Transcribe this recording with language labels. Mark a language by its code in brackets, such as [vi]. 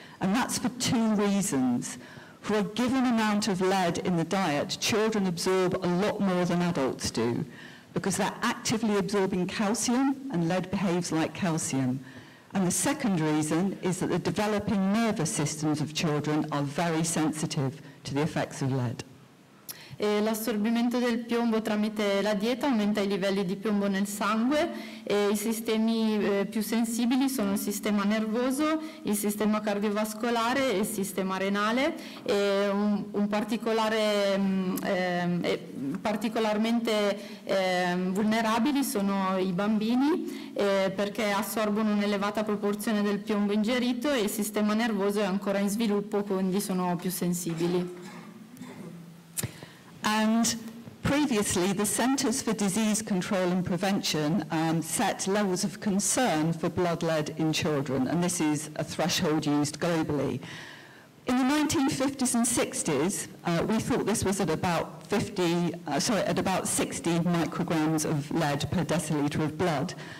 [en] And that's for two reasons. For a given amount of lead in the diet, children absorb a lot more than adults do, because they're actively absorbing calcium and lead behaves like calcium. And the second reason is that the developing nervous systems of children are very sensitive to the effects of lead. [it] L'assorbimento del piombo tramite la dieta aumenta i livelli di piombo nel sangue e i sistemi più sensibili sono il sistema nervoso, il sistema cardiovascolare e il sistema renale. E particolarmente vulnerabili sono i bambini perché assorbono un'elevata proporzione del piombo ingerito e il sistema nervoso è ancora in sviluppo, quindi sono più sensibili. [en] And previously, the Centers for Disease Control and Prevention set levels of concern for blood lead in children, and this is a threshold used globally. In the 1950s and 60s, we thought this was at about 60 micrograms of lead per deciliter of blood.